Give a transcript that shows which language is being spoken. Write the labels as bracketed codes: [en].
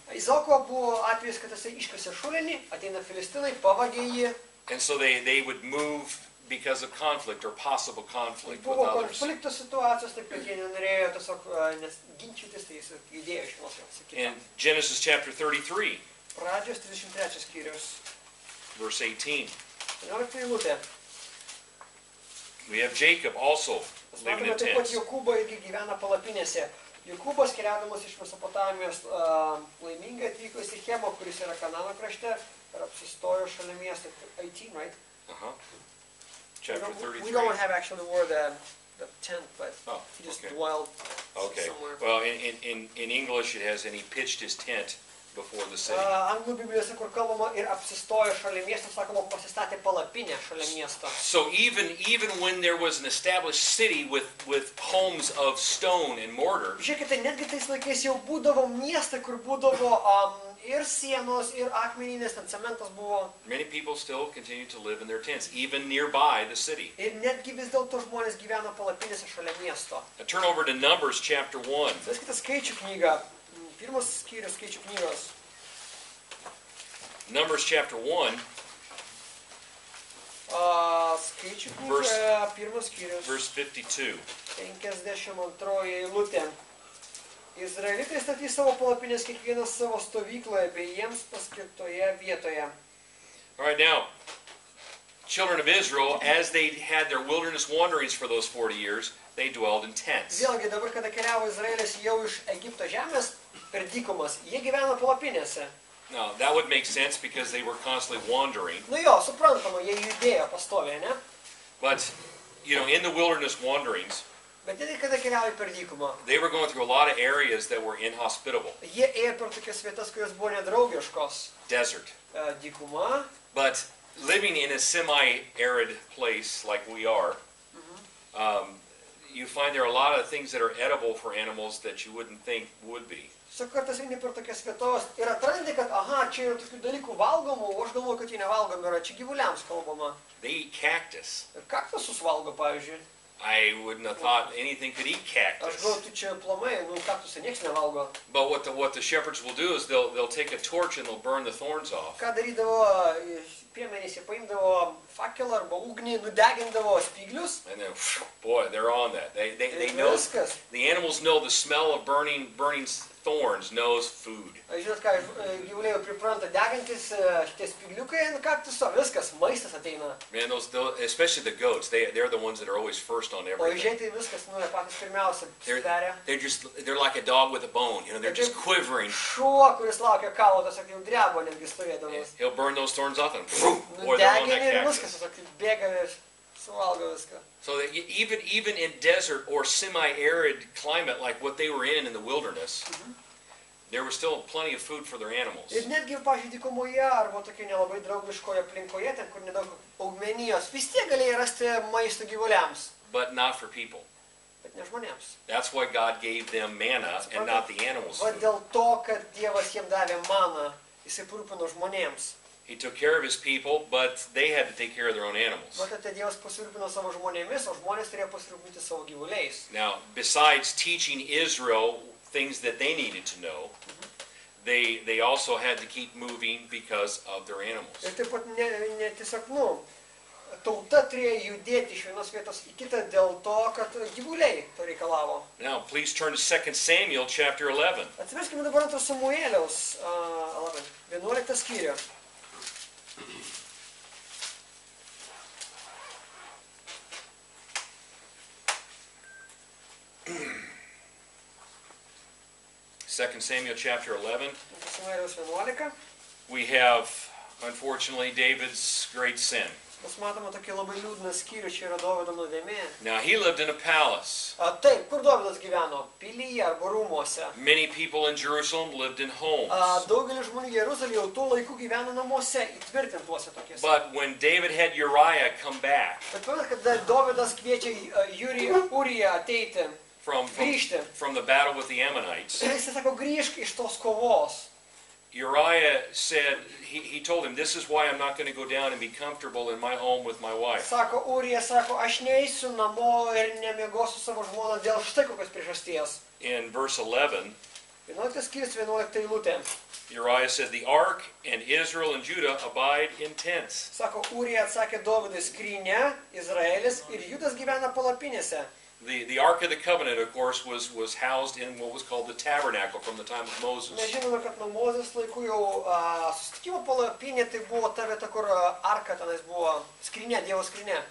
[lt] Izaoko buvo atvejis, kad jisai iškasė šulinį, ateina Filistinai, pavagė jį. [en] And so they would move because of conflict or possible conflict with others. [lt] Buvo konflikto situacijos, taip kad jie nenorėjo tiesiog ginčytis, tai jis judėjo iš vienos vietos į kitą. [en] In Genesis chapter 33. [lt] Pradžios 33 skyrius. [en] Verse 18. [lt] 18 eilutė. [en] We have Jacob also living in tents. [lt] Taip pat Jokūbo irgi gyvena palapinėse. Jokūbas, keliaudamas iš Mesopotamijos, laimingai atvyko į Sichemą, kuris yra Kanano krašte, ir apsistojo šalia miesto. [en] 18, right? Chapter 33. We don't have actually the word the tent, but he just dwelled somewhere. Well, in English it has, and he pitched his tent before the city. [lt] Anglų Biblijose, kur kalbama ir apsistojo šalia miesto, sakoma, pasistatė palapinę šalia miesto. [en] So even when there was an established city with homes of stone and mortar. [lt] Žiūrėkite, netgi tais laikais jau būdavo miestą, kur būdavo ir sienos, ir akmeninės, ten cementas buvo. [en] Many people still continue to live in their tents, even nearby the city. [lt] Ir netgi vis dėlto žmonės gyveno palapinėse šalia miesto. [en] Now turn over to Numbers chapter 1. [lt] Veskite skaičių knygą. Pirmas skyrius skaičių knygos. [en] Numbers chapter 1. [lt] Skaičių knygoje, pirmas skyrius. [en] Verse 52. [lt] 52 eilutė. Izraelitai statys savo palapinės kiekvienas savo stovykloje bei jiems paskirtoje vietoje. [en] All right, now, children of Israel, as they had their wilderness wanderings for those 40 years, they dwelled in tents. [lt] Vėlgi, dabar, kada keliavo Izraelis jau iš Egipto žemės per dykumas, jie gyveno palapinėse. [en] No, that would make sense because they were constantly wandering. [lt] Nu jo, suprantama, jie judėjo pastoviai, ne? [en] But, you know, in the wilderness wanderings, [lt] bet jie, kada keliavo per dykumą, [en] they were going through a lot of areas that were inhospitable. [lt] Jie ėjo per tokias vietas, kurios buvo nedraugiškos. [en] Desert. [lt] Dykuma. [en] But living in a semi-arid place like we are, you find there are a lot of things that are edible for animals that you wouldn't think would be. [lt] Su kartais vieni per tokias vietos ir atrandi, kad aha, čia yra tokių dalykų valgomų, o aš galvoju, kad jie nevalgomi yra, čia gyvuliams kalbama. [en] They eat cactus. [lt] Kaktusus valgo, pavyzdžiui. [en] I wouldn't have thought anything could eat cactus. [lt] Aš galvoju, tu čia plamai, nu kaktusą nieks nevalgo. [en] But what the shepherds will do is they'll take a torch and they'll burn the thorns off. [lt] Ką darydavo piemenys, jie paimdavo fakelą arba ugnį, nudegindavo spyglius. [en] And then, boy, they're on that. They know, [lt] viskas. [en] The animals know the smell of burning thorns, knows food. [lt] Žinot ką, gyvuliai pripranta degantis šitie spygliukai ant kaktuso, viskas, maistas ateina. [en] Man, especially the goats, they're the ones that are always first on everything. [lt] O žiūrėti viskas, nu, patys pirmiausia, [en] they're like a dog with a bone, you know, they're just quivering. [lt] Šuo, kuris laukia kaulo, tiesiog jau drebo netgi stovėdamas. [en] He'll burn those thorns off and [lt] nudegini ir viskas, tiesiog bėga ir suvalgo viską. [en] So that even in desert or semi-arid climate like what they were in the wilderness, there was still plenty of food for their animals. [lt] Ir netgi, pavyzdžiui, dykumoje arba tokioje nelabai draugiškoje aplinkoje, ten kur nedaug augmenijos, vis tiek galėjo rasti maisto gyvuliams. [en] But not for people. [lt] Bet ne žmonėms. [en] That's why God gave them manna and not the animals. [lt] Va dėl to, kad Dievas jiems davė maną, jisai parūpino žmonėms. [en] He took care of his people, but they had to take care of their own animals. [lt] Matote, Dievas pasirūpino savo žmonėmis, o žmonės turėjo pasirūpinti savo gyvuliais. [en] Now, besides teaching Israel things that they needed to know, they also had to keep moving because of their animals. [lt] Ir taip pat ne tiesiog, nu, tauta turėjo judėti iš vienos vietos į kitą dėl to, kad gyvuliai to reikalavo. [en] Now, please turn to 2 Samuel chapter 11. [lt] Atsiverskime dabar antro Samuelius 11 skyrių. [en] Second Samuel chapter 11. [lt] Samuelius 11. [en] We have, unfortunately, David's great sin. [lt] Mes matome tokį labai liūdną skyrių, čia yra Dovydo nuodėmė. [en] Now he lived in a palace. [lt] Taip, kur Dovydas gyveno? Pilyje arba rūmuose. [en] Many people in Jerusalem lived in homes. [lt] Daugelis žmonių Jeruzalėje jau tuo laiku gyveno namuose, įtvirtintuose tokiuose. [en] But when David had Uriah come back. [lt] Bet pamatot, kada Dovydas kviečia Uriją ateiti. [en] From the battle with the Ammonites. [lt] Jis sako, grįžk iš tos kovos. [en] Uriah said, he told him, this is why I'm not going to go down and be comfortable in my home with my wife. [lt] Sako, Uriah sako, aš neįsiu namo ir nemėgosiu savo žmoną dėl štai kokios priežasties. [en] In verse 11, [lt] 11 skyrius, 11 eilutė. [en] Uriah said, the ark and Israel and Judah abide in tents. [lt] Sako, Uriah atsakė, Dovydui skrynė, Izraelis ir Judas gyvena palapinėse. [en] The Ark of the Covenant, of course, was housed in what was called the Tabernacle from the time of Moses. [lt] Mes žinome, kad nuo Mozės laikų jau susitikimo palapinė tai buvo ta vieta, kur arka tenais buvo skrinė, Dievo skrinė.